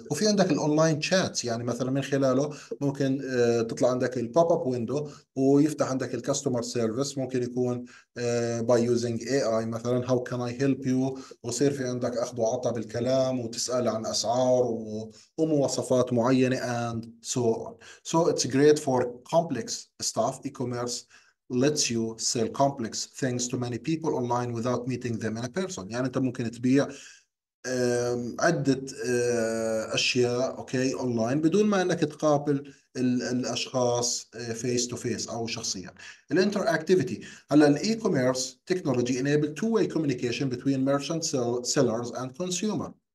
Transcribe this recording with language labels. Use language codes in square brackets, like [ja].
[ar] وفي عندك الاونلاين تشات، يعني مثلا من خلاله ممكن تطلع عندك البوب اب ويندو ويفتح عندك الكاستمر سيرفيس، ممكن يكون باي يوزنج اي اي مثلا، [en] how can I help you, [ar] ويصير في عندك اخذ وعطاء بالكلام وتسال عن اسعار ومواصفات معينة [en] And so on. So it's great for complex stuff. E commerce lets you sell complex things to many people online without meeting them in a person. [ar] يعني انت ممكن تبيع عدة أشياء أوكي أونلاين بدون ما أنك تقابل الأشخاص [en] face to face [ar] أو شخصيا. [en] الانتراكتيفيتي، هلا الإي commerce technology enable two way communication between merchants, sellers and consumer.